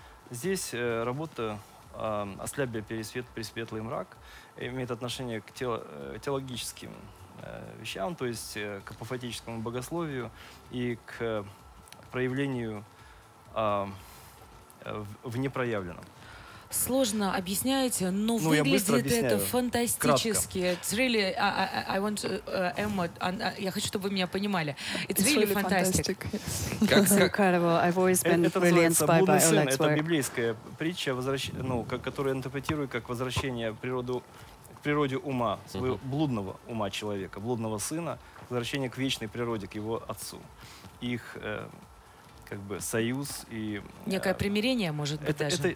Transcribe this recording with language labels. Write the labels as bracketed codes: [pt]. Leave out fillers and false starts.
[ru] Здесь работа «Ослябия, пересвет, пресветлый мрак» имеет отношение к теологическим вещам, то есть к апофатическому богословию и к проявлению в непроявленном. Сложно объясняете, но выглядит это фантастически. [en] It's really, I want to, [ru] Emma, я хочу, чтобы вы меня понимали. [en] It's really fantastic. It's incredible. I've always been really inspired by Oleg's work. [ru] Это библейская притча, которую интерпретирую как возвращение к природе ума, своего блудного ума человека, блудного сына, возвращение к вечной природе, к его отцу. Их... как бы союз и... Некое примирение, может быть, даже.